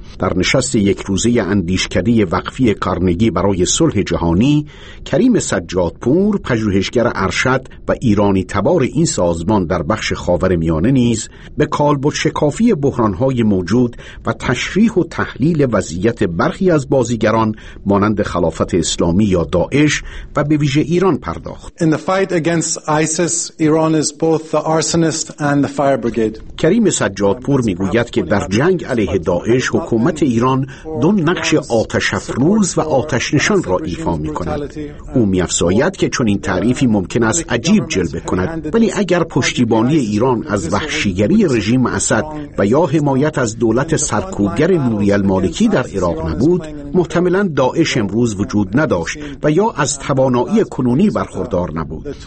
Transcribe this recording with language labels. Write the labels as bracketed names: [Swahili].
[Persian] در نشست یک روزه اندیشکده وقفی کارنگی برای صلح جهانی، کریم سجادپور، پژوهشگر ارشد و ایرانی تبار این سازمان در بخش خاورمیانه نیز به کالبد شکافی بحران‌های موجود و تشریح و تحلیل وضعیت برخی از بازیگران مانند خلافت اسلامی یا داعش و به ویژه ایران پرداخت. [English] In the fight against ISIS, Iran is both the arsonist and the fire brigade. [Persian] کریم سجادپور میگوید که در جنگ علیه داعش حکومت ایران دو نقش آتش افروز و آتش نشان را ایفا می کند. او می افزاید که چون این تعریفی ممکن است عجیب جلوه کند، ولی اگر پشتیبانی ایران از وحشیگری رژیم اسد و یا حمایت از دولت سرکوبگر نوری المالکی در عراق نبود، محتملاً داعش امروز وجود نداشت و یا از توانایی کنونی برخوردار نبود.